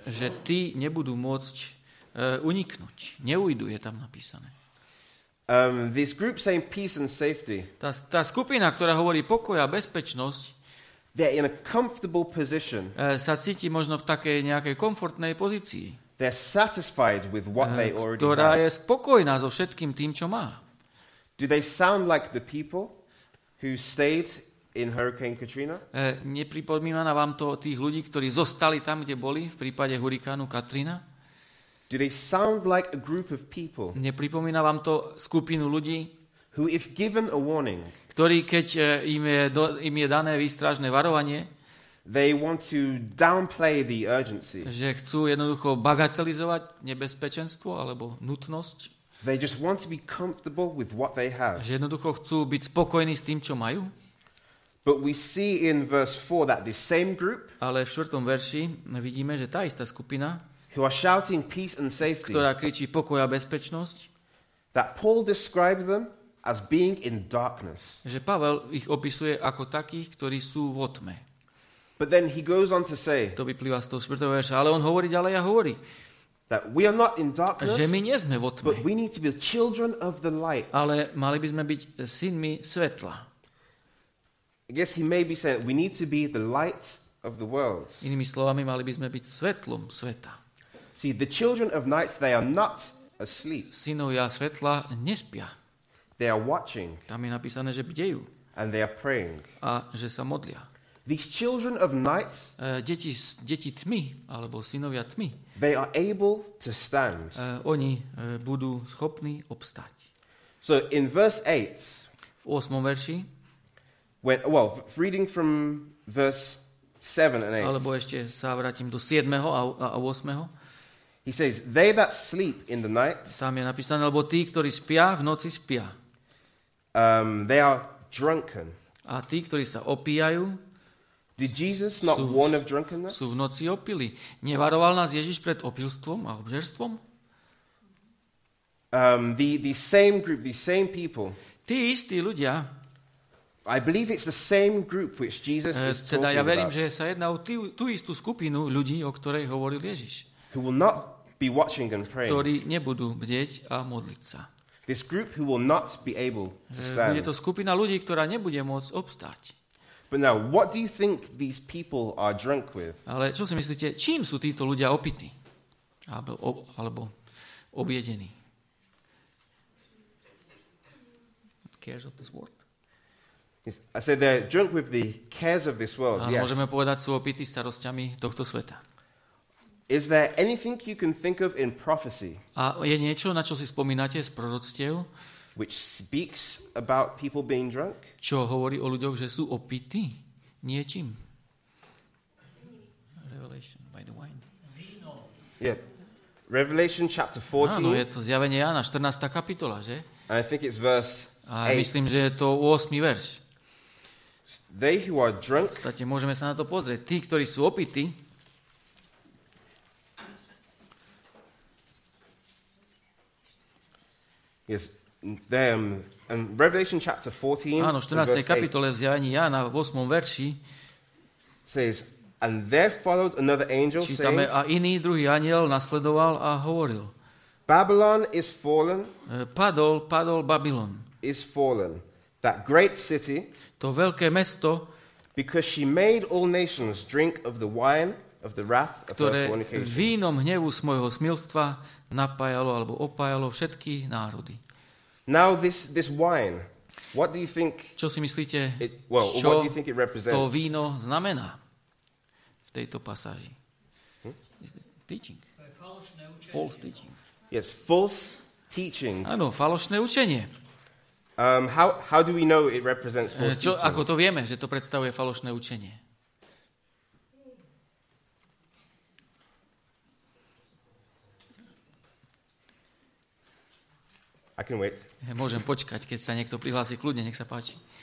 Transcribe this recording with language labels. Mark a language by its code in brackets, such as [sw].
[sk] že tí nebudú môcť uniknúť. Neujdu, je tam napísané. [en] This group saying peace and safety. [sk] Tá skupina, ktorá hovorí pokoj a bezpečnosť, [en] they're in a comfortable position. [sk] Sa cíti možno v takej nejakej komfortnej pozícii. [en] They're satisfied with what they already [sk] Ktorá je spokojná so všetkým tým, čo má. [en] Do they sound like the people who stayed in Hurricane Katrina? [sk] Nepripomína vám to tých ľudí, ktorí zostali tam, kde boli v prípade hurikánu Katrina? [en] Do they sound like a group of people? [sk] Nepripomína vám to skupinu ľudí, [en] who if given a warning, [sk] ktorí keď im je dané výstražné varovanie, [en] they want to downplay the urgency. [sk] Že chcú jednoducho bagatelizovať nebezpečenstvo alebo nutnosť. [en] They just want to be comfortable with what they have. [sk] Že jednoducho chcú byť spokojní s tým, čo majú. [en] But we see in verse 4 that the same group, [sk] ale v 4. verši vidíme, že tá istá skupina, [en] who are shouting peace and safety, [sk] ktorá kričí pokoj a bezpečnosť, [en] that Paul describes them as being in darkness, [sk] že Pavel ich opisuje ako takých, ktorí sú vo tme. [en] But then he goes on to say, [sk] to vyplýva z toho 4. verša, ale on hovorí ďalej a hovorí, [en] that we are not in darkness, [sk] že my nie sme vo tme, [en] but we need to be children of the light, [sk] ale mali by sme byť synmi svetla. [en] I guess he may be saying we need to be the light of the world. [sk] Inými slovami, mali by sme byť svetlom sveta. [en] See, the children of night, they are not asleep. [sk] Synovia svetla nespia. [en] They are watching. [sk] Tam je napísané, že bdejú. [en] And they are praying. [sk] A že sa modlia. [en] These children of night, [sk] deti tmy, alebo synovia tmy, [en] they are able to stand. [sk] Oni budú schopní obstať. [en] So in verse 8, [sk] v 8. verši, [en] reading from verse 7 and 8, [sk] alebo ešte sa vrátim do 7. a 8. [en] He says, they that sleep in the night, [sk] tam je napísané, lebo tí, ktorí spia, v noci spia. [en] They are drunken. [sk] A tí, ktorí sa opíjajú, [en] did Jesus not warn of drunkenness? [sk] Sú v noci opili. Nevaroval nás Ježiš pred opilstvom a obžerstvom? [en] The same group, the same people. [sk] Tí istí ľudia. [en] I believe it's the same group which Jesus was talking about. [sk] Ja verím, že sa jedná o tú istú skupinu ľudí, o ktorej hovoril Ježiš. [en] Who will not be watching and praying. [sk] Ktorí nebudú bdieť a modliť sa. [en] This group who will not be able to stand. [sk] Bude to skupina ľudí, ktorá nebude môcť obstáť. [en] But now, what do you think these people are drunk with? [sk] Ale čo si myslíte, čím sú títo ľudia opití? Alebo objedení? [en] Cares of this world? Yes, I said they're drunk with the cares of this world. [sk] Ale môžeme povedať, sú opití starosťami tohto sveta. [en] Is there anything you can think of in prophecy? [sk] A je niečo, na čo si spomínate z proroctiev? [en] Which speaks about people being drunk? [sk] Čo hovorí o ľuďoch, že sú opití niečím? [en] Revelation by the wine. Yeah. Revelation chapter 14. [sk] Áno, je to zjavenie Jána, 14. kapitola, že? [en] And I think it's verse 8. [sk] A myslím, že je to 8. verš. [en] They who are drunk. [sk] V podstate môžeme sa na to pozrieť. Tí, ktorí sú opití. [en] Yes, them. And Revelation chapter 14. [sk] Áno, 14. kapitole v Zjavení Jána v 8. verši. [en] Says, and there followed another angel saying. [sk] Čítame, a iný druhý anjel nasledoval a hovoril. [en] Babylon is fallen. [sk] Padol Babylon. [en] Is fallen. That great city. [sk] To veľké mesto. [en] Because she made all nations drink of the wine of the wrath of her fornication. [sk] Ktoré vínom hnevu svojho smilstva napájalo alebo opájalo všetky národy. [en] Now this wine. What do you think? [sk] Čo si myslíte? [en] Čo what do you think it represents? [sk] To víno znamená v tejto pasáži. [en] Teaching. False teaching. Yes, false teaching. [sk] Áno, falošné učenie. [en] How do we know it represents false teaching? [sk] Ako to vieme, že to predstavuje falošné učenie? [en] I can wait. [sk] Môžem počkať, keď sa niekto prihlási, kľudne, nech sa páči.